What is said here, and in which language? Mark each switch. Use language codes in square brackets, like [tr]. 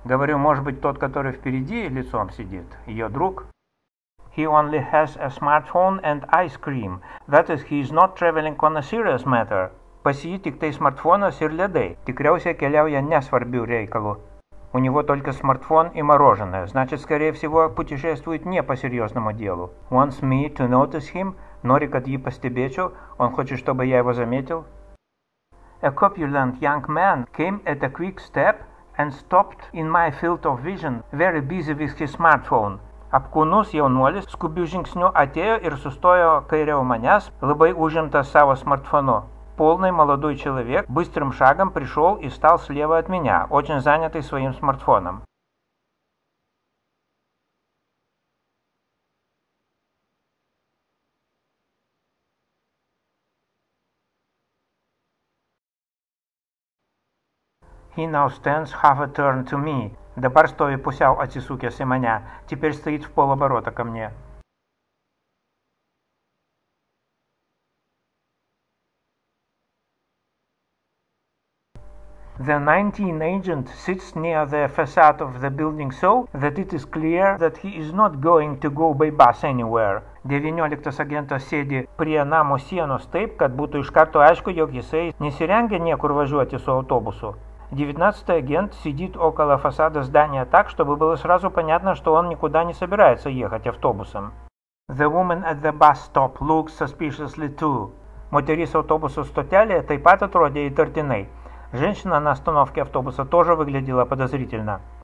[ru] Говорю, может быть, тот, который впереди лицом сидит, ее друг. [en] He only has a smartphone and ice cream. That is, he is not traveling on a serious matter. [lt] Pas jį tiktai smartfonas ir ledai. Tikriausiai keliauja несvarbių reikalų. [ru] У него только смартфон и мороженое. Значит, скорее всего, путешествует не по серьезному делу. [en] Wants me to notice him. [lt] Нори, кад ji pastebėčiau. [ru] Он хочет, чтобы я его заметил. [en] A corpulent young man came at a quick step and stopped in my field of vision, very busy with his smartphone. [lt] Apkūnus jaunuolis skubių žingsnių atėjo ir sustojo kairiau manęs, labai užimtas savo smartfonu. [ru] Полный молодой человек быстрым шагом пришел и стал слева от меня, очень занятый своим смартфоном. [en] He now stands half a turn to me. [lt] Dabar stovi pusiau atsisukęs į mane. [ru] Теперь стоит в полоборота ко мне. [en] The 19 agent sits near the facade of the building so that it is clear that he is not going to go by bus anywhere. [lt] 19 agentas sėdi prie namo sienos taip, kad būtų iš karto aišku, jog jisai nesirengia niekur važiuoti su autobusu. [ru] 19-й агент сидит около фасада здания так, чтобы было сразу понятно, что он никуда не собирается ехать автобусом. [en] The woman at the bus stop looks suspiciously too. [lt] Moteris autobuso stotelėje taip pat atrodė įtartinai. [ru] Женщина на остановке автобуса тоже выглядела подозрительно.